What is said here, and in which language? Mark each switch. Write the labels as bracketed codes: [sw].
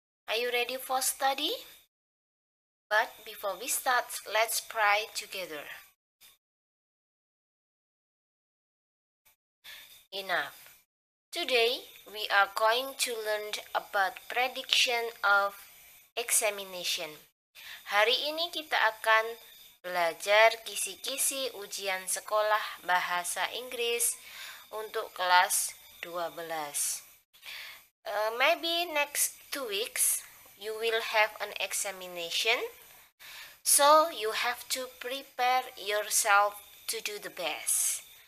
[en] Are you ready for study? But before we start, let's pray together. Enough. Today, we are going to learn about prediction of examination. [id] Hari ini kita akan belajar kisi-kisi ujian sekolah bahasa Inggris untuk kelas 12. [en] Maybe next 2 weeks you will have an examination, so you have to prepare yourself to do the best.